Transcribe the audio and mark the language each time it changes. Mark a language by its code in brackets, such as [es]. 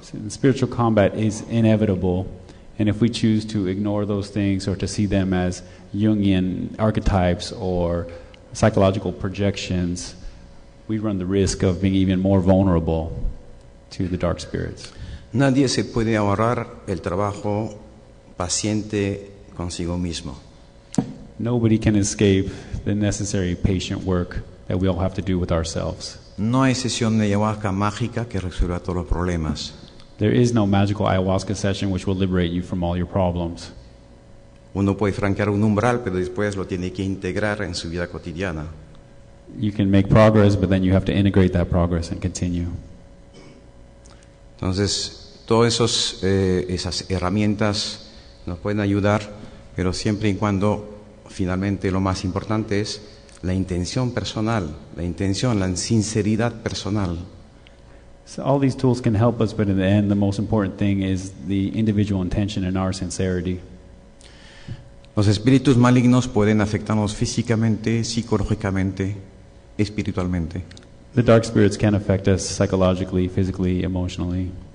[en] Spiritual combat is inevitable, and if we choose to ignore those things or to see them as Jungian archetypes or psychological projections, we run the risk of being even more vulnerable to the dark spirits. [es] Nadie se puede ahorrar el trabajo paciente consigo mismo. [en] Nobody can escape the necessary patient work that we all have to do with ourselves. [es] No hay sesión de ayahuasca mágica que resuelva todos los problemas. [en] There is no magical ayahuasca session which will liberate you from all your problems. [es] Uno puede franquear un umbral, pero después lo tiene que integrar en su vida cotidiana. [en] You can make progress, but then you have to integrate that progress and continue. [es] Entonces, todas esas herramientas nos pueden ayudar, pero siempre y cuando, finalmente, lo más importante es la intención personal, la intención, la sinceridad personal. [en] So all these tools can help us, but in the end, the most important thing is the individual intention and our sincerity. [es] Los espíritus malignos pueden afectarnos físicamente, psicológicamente, espiritualmente. [en] The dark spirits can affect us psychologically, physically, emotionally.